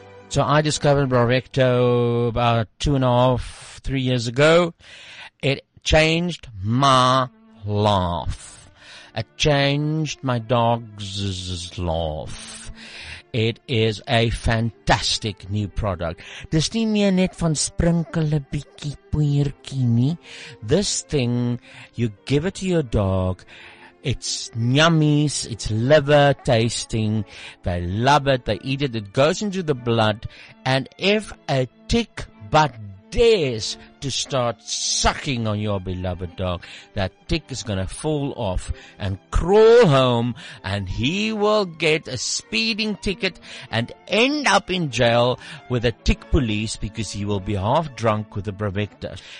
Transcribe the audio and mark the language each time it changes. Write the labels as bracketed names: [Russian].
[English] So I discovered Bravecto about 2.5-3 years ago. It changed my life. It changed my dog's life. It is a fantastic new product. [Afrikaans] Dis nie meer net van sprinkle 'n bietjie poeiertjie nie. [English] This thing, you give it to your dog, it's yummies, it's liver tasting, they love it, they eat it, it goes into the blood, and if a tick but dares to start sucking on your beloved dog, that tick is gonna fall off and crawl home, and he will get a speeding ticket and end up in jail with a tick police because he will be half drunk with the Bravecto.